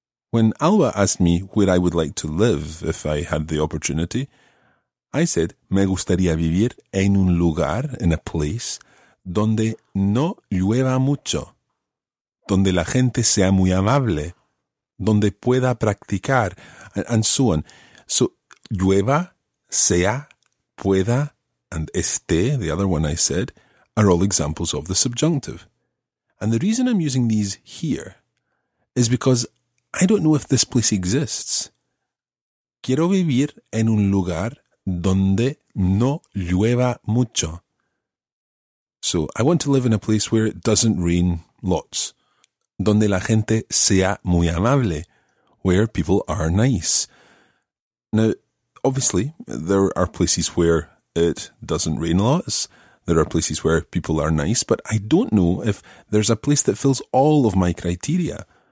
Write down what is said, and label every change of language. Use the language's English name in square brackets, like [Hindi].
[English] When Alba asked me where I would like to live if I had the opportunity, I said, [Spanish] me gustaría vivir en un lugar, [English] in a place, [Spanish] donde no llueva mucho, donde la gente sea muy amable, donde pueda practicar, [English] and so on. So, llueva, sea, pueda, and esté, the other one I said, are all examples of the subjunctive. And the reason I'm using these here is because I don't know if this place exists. [Spanish] Quiero vivir en un lugar donde no llueva mucho. [English] So I want to live in a place where it doesn't rain lots. [Spanish] Donde la gente sea muy amable, [English] where people are nice. Now, obviously, there are places where it doesn't rain lots. There are places where people are nice, but I don't know if there's a place that fills all of my criteria.